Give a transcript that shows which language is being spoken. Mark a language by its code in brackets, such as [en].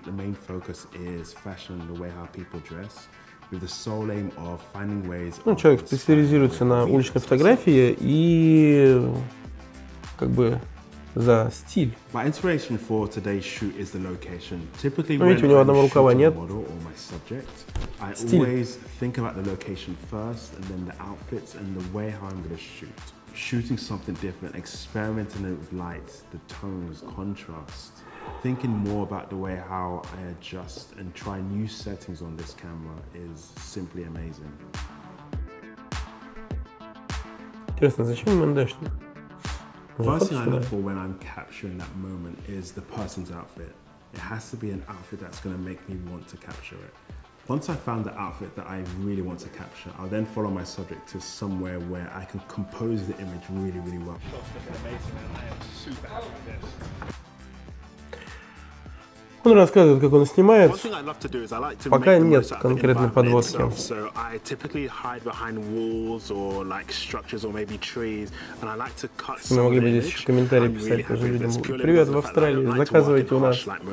[en] The main focus is fashion, the way how people dress. With the sole aim of finding ways. [ru] Ну, человек специализируется на уличной фотографии и как бы за стиль. [en] My inspiration for today's shoot is the location. Typically, when [ru] видите, у него одного рукава нет. [en] Subject, I [ru] стиль. [en] Always think about the location first and then the outfits and the way how I'm going to shoot. Shooting something different, experimenting with lights, the tones, contrast. Thinking more about the way how I adjust and try new settings on this camera is simply amazing. [ru] Интересно, зачем мы дышим? [en] First thing I look for when I'm capturing that moment is the person's outfit. It has to be an outfit that's going to make me want to capture it. Once I found the outfit that I really want to capture, I'll then follow my subject to somewhere where I can compose the image really, really well. Shots looking amazing, and I am super happy with this. [ru] Он рассказывает, как он снимает. Пока нет конкретной подводки. [en] So I typically hide behind walls or like structures or maybe trees, and I like to cut. [ru] Мы могли бы здесь в комментарии писать тоже людям. Привет в Австралии, заказывайте у нас.